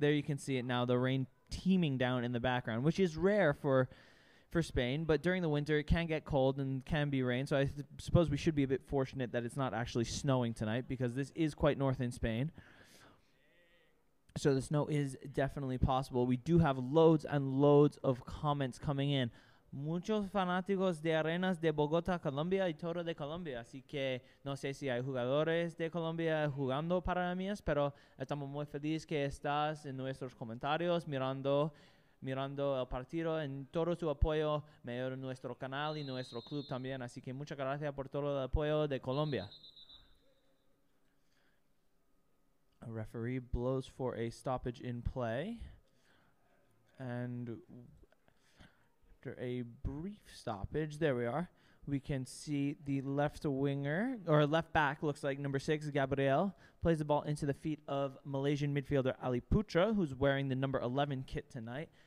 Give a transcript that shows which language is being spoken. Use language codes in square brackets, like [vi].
[en] There you can see it now, the rain teeming down in the background, which is rare for Spain, but during the winter it can get cold and can be rain, so I suppose we should be a bit fortunate that it's not actually snowing tonight, because this is quite north in Spain, so the snow is definitely possible. We do have loads and loads of comments coming in. [es] Muchos fanáticos de Arenas de Bogotá, Colombia y todo de Colombia, así que no sé si hay jugadores de Colombia jugando para Armias, pero estamos muy felices que estás en nuestros comentarios mirando el partido, en todo tu apoyo mejora nuestro canal y nuestro club también, así que muchas gracias por todo el apoyo de Colombia. [en] A referee blows for a stoppage in play, and after a brief stoppage, there we are, we can see the left winger, or left back, looks like number 6, Gabriel, plays the ball into the feet of Malaysian midfielder Ali Putra, who's wearing the number 11 kit tonight.